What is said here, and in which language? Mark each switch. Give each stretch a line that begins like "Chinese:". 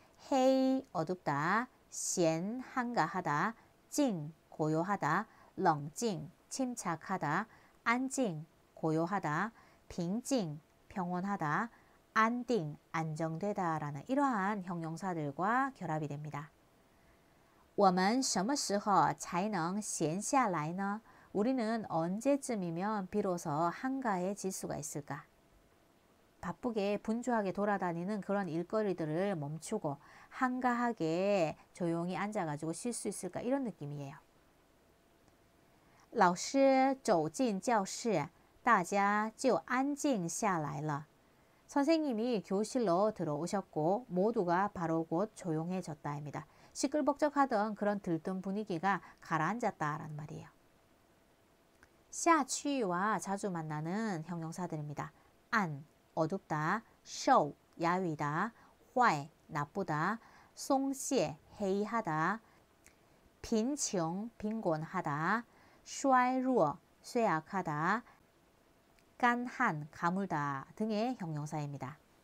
Korean: 黑, 어둡다. 闲, 한가하다. 静, 고요하다. 冷静, 침착하다. 안静, 고요하다, 平静, 평온하다, 안定, 안정되다라는 이러한 형용사들과 결합이 됩니다.
Chinese: 我们什么时候才能闲下来呢?
Korean: 우리는 언제쯤이면 비로소 한가해질 수가 있을까? 바쁘게 분주하게 돌아다니는 그런 일거리들을 멈추고 한가하게 조용히 앉아가지고 쉴수 있을까? 이런 느낌이에요.
Chinese: 老师走进教室，大家就安静下来了。
Korean: 선생님이 교실로 들어오셨고 모두가 바로 곧 조용해졌다입니다. 시끌벅적하던 그런 들뜬 분위기가 가라앉았다라는 말이에요. 下去와 자주 만나는 형용사들입니다. 안 어둡다, 瘦 야위다, 坏 나쁘다, 松懈 해이하다, 贫穷 빈곤하다, 衰弱 쇠약하다, 干旱 가물다 등의 형용사입니다.